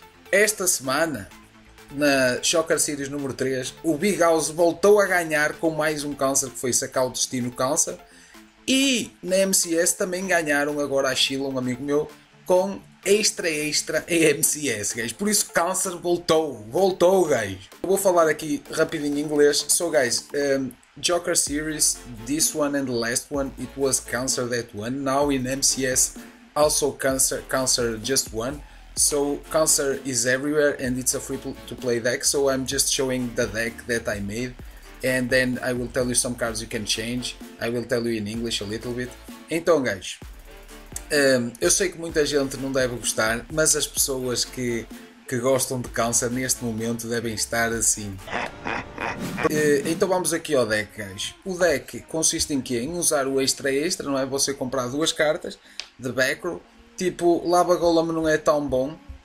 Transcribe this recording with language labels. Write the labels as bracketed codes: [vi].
[pt] Esta semana, na Joker Series número 3, o Big House voltou a ganhar com mais um Cancer, que foi sacar o Destino Cancer, e na MCS também ganharam agora a Sheila, um amigo meu, com Extra Extra e MCS, guys. Por isso Cancer voltou, guys. Eu vou falar aqui rapidinho em inglês. [en] So guys, Joker Series, this one and the last one, it was Cancer that won. Now in MCS, also Cancer just won. So Cancer is everywhere and it's a free to play deck. So I'm just showing the deck that I made. And then I will tell you some cards you can change. I will tell you in English a little bit. [pt] Então, guys. Eu sei que muita gente não deve gostar, mas as pessoas que gostam de Cancer neste momento devem estar assim. Então vamos aqui ao deck, guys. O deck consiste em quê? Em usar o extra extra, não é? Você comprar duas cartas de backrow. Tipo, Lava Golem não é tão bom.